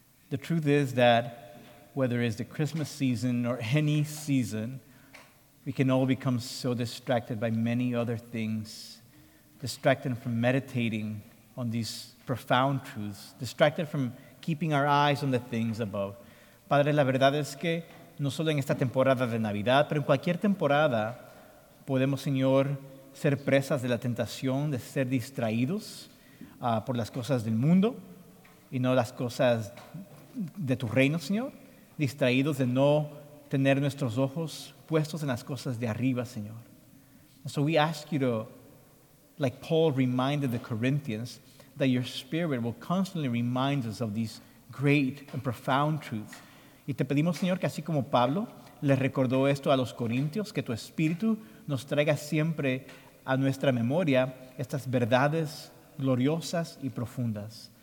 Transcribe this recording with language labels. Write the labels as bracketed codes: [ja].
[en] The truth is that whether it's the Christmas season or any season, we can all become so distracted by many other things, distracted from meditating on these profound truths, distracted from keeping our eyes on the things above. [es] Padre, la verdad es que no solo en esta temporada de Navidad, pero en cualquier temporada podemos, Señor, ser presas de la tentación de ser distraídos por las cosas del mundo y no las cosas de tu reino, Señor. Distraídos de no tener nuestros ojos puestos en las cosas de arriba, Señor. [en] And so we ask you to, like Paul reminded the Corinthians, that your spirit will constantly remind us of these great and profound truths. [es] Y te pedimos, Señor, que así como Pablo le recordó esto a los corintios, que tu espíritu nos traiga siempre a nuestra memoria estas verdades gloriosas y profundas.